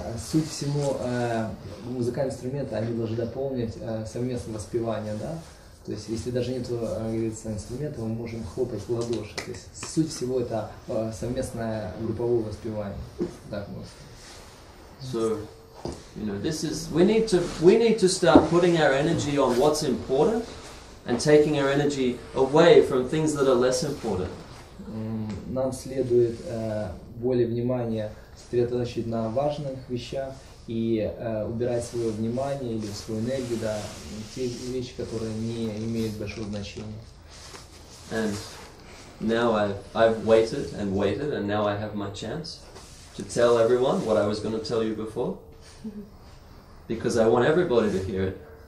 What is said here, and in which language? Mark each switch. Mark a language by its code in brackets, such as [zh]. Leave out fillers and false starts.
[ru] суть всему музыкального инструмента, они должны дополнить совместное воспевание, да? То есть, если даже нет инструмента, мы можем хлопать в ладоши. То есть, суть всего – это совместное групповое воспевание. Так, вот. [en] So, you know, this is, we need to start putting our energy on what's important and taking our energy away from things that are less important. [ru] Нам следует более внимания сосредоточить на важных вещах и убирать свое внимание или свою энергию, да, те вещи, которые не имеют большого значения. [en] And now I've waited and waited, and now I have my chance to tell everyone what I was going to tell you before, because I want everybody to hear it.